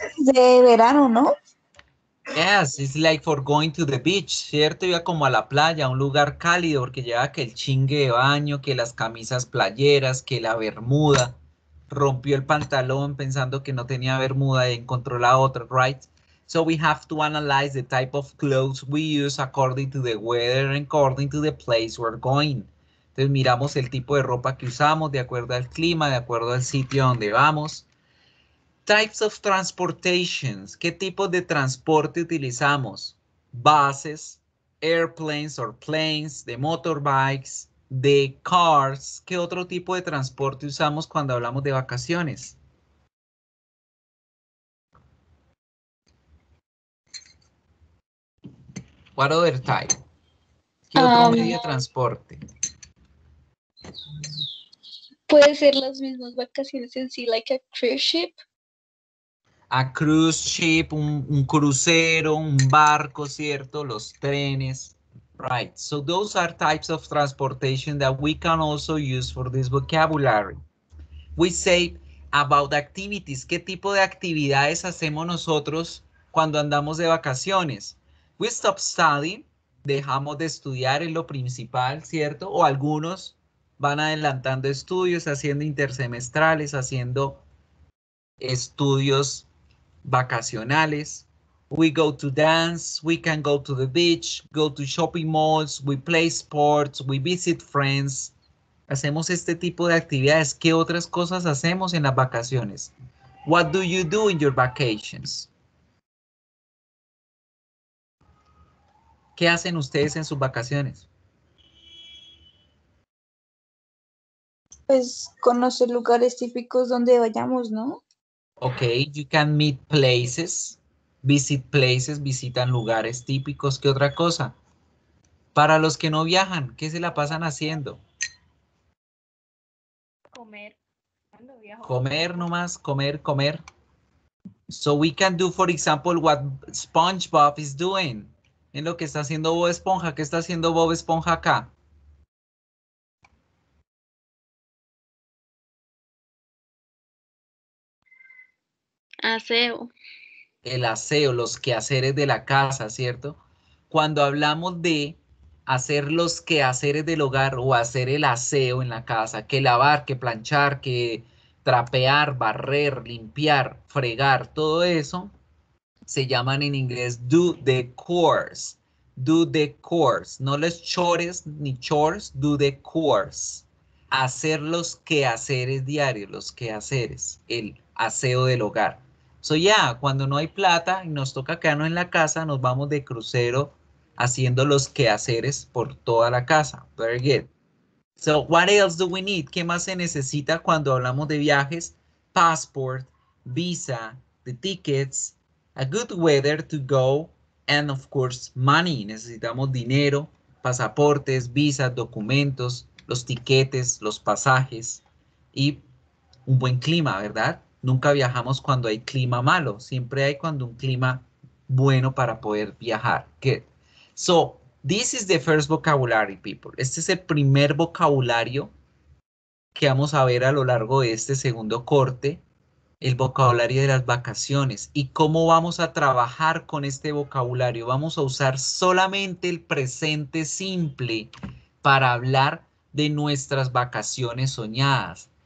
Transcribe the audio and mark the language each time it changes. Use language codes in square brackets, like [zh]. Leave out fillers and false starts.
[es] de verano, ¿no? [en] Yes, it's like for going to the beach, ¿cierto? [es] Iba como a la playa, a un lugar cálido, porque lleva que el chingue de baño, que las camisas playeras, que la bermuda. Rompió el pantalón pensando que no tenía bermuda y encontró la otra, right? [en] So we have to analyze the type of clothes we use according to the weather and according to the place we're going. [es] Entonces miramos el tipo de ropa que usamos de acuerdo al clima, de acuerdo al sitio donde vamos. [en] Types of transportations. [es] ¿Qué tipo de transporte utilizamos? [en] Buses, airplanes or planes, de motorbikes, de cars. [es] ¿Qué otro tipo de transporte usamos cuando hablamos de vacaciones? [en] What other type? [es] ¿Qué otro medio de transporte? Puede ser las mismas vacaciones en sí, [en] like a cruise ship. a cruise ship, [es] un crucero, un barco, ¿cierto? Los trenes. Right. [en] So those are types of transportation that we can also use for this vocabulary. We say about activities. [es] ¿Qué tipo de actividades hacemos nosotros cuando andamos de vacaciones? [en] We stop studying. [es] Dejamos de estudiar, es lo principal, ¿cierto? O algunos van adelantando estudios, haciendo intersemestrales, haciendo estudios vacacionales. [en] We go to dance, we can go to the beach, go to shopping malls, we play sports, we visit friends. [es] Hacemos este tipo de actividades. ¿Qué otras cosas hacemos en las vacaciones? [en] What do you do in your vacations? [es] ¿Qué hacen ustedes en sus vacaciones? Pues conocer lugares típicos donde vayamos, ¿no? [en] Ok, you can meet places, visit places, [es] visitan lugares típicos. ¿Qué otra cosa? Para los que no viajan, ¿qué se la pasan haciendo? Comer. Cuando viajo. Comer nomás, comer, comer. [en] So we can do, for example, what SpongeBob is doing. [es] En lo que está haciendo Bob Esponja. ¿Qué está haciendo Bob Esponja acá? Aseo. El aseo, los quehaceres de la casa, ¿cierto? Cuando hablamos de hacer los quehaceres del hogar o hacer el aseo en la casa, que lavar, que planchar, que trapear, barrer, limpiar, fregar, todo eso, se llaman en inglés [en] do the chores. Do the chores, no los chores ni chores, do the chores. [es] Hacer los quehaceres diarios, los quehaceres, el aseo del hogar. So yeah, cuando no hay plata y nos toca quedarnos en la casa, nos vamos de crucero haciendo los quehaceres por toda la casa. Very good. [en] So what else do we need? [es] ¿Qué más se necesita cuando hablamos de viajes? [en] Passport, visa, the tickets, a good weather to go, and of course money. [es] Necesitamos dinero, pasaportes, visas, documentos, los tiquetes, los pasajes y un buen clima, ¿verdad? Nunca viajamos cuando hay clima malo. Siempre hay cuando un clima bueno para poder viajar. [en] Good. So, this is the first vocabulary, people. [es] Este es el primer vocabulario que vamos a ver a lo largo de este segundo corte. El vocabulario de las vacaciones. ¿Y cómo vamos a trabajar con este vocabulario? Vamos a usar solamente el presente simple para hablar de nuestras vacaciones soñadas.